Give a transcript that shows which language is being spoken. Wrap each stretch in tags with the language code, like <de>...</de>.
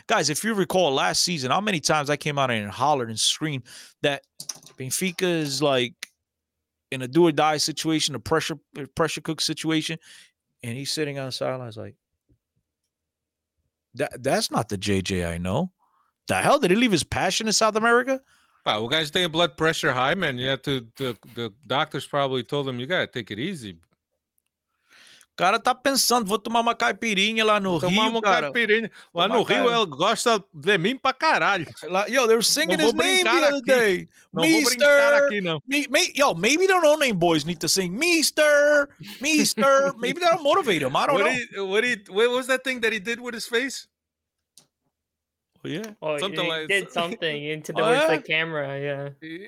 <en>Guys, if you recall last season, how many times I came out and hollered and screamed that Benfica is like in a do-or-die situation, a pressure cook situation, and he's sitting on the sidelines like, that's not the JJ I know. The hell, did he leave his passion in South America? Wow, well, guys, taking blood pressure high, man. You have to. The doctors probably told him, you got to take it easy.</en> <pt>O cara tá pensando, vou tomar uma caipirinha lá no Rio, uma cara. Caipirinha. Lá no Rio, ele gosta de mim pra caralho.</pt> <en>Yo, they were singing his name the other day. Mister. Maybe their own name boys need to sing. Mister. Maybe that'll motivate him. I don't know. What was that thing that he did with his face? Oh, yeah. Oh, something like that. He did something into the, with the camera, yeah.</en>